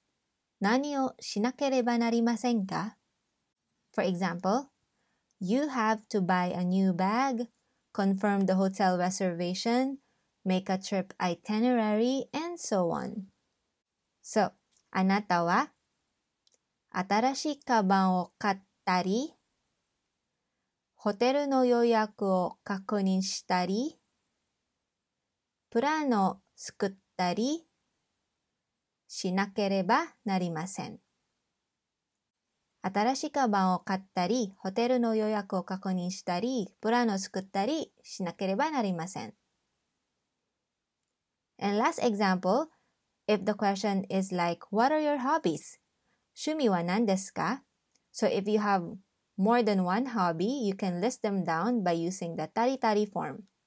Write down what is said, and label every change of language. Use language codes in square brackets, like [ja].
[ja] 旅行の前に何をしなければなりませんか? [en] For example, you have to buy a new bag, confirm the hotel reservation, make a trip itinerary, and so on. [ja] So, あなたは新しいカバンを買ったり、ホテルの予約を確認したり、 プランを作ったりしなければなりません。新しいカバンを買ったり、ホテルの予約を確認したり、プランを作ったりしなければなりません。 [en] And last example, if the question is like, what are your hobbies? [ja] 趣味は何ですか? [en] So if you have more than one hobby, you can list them down by using the tari-tari form.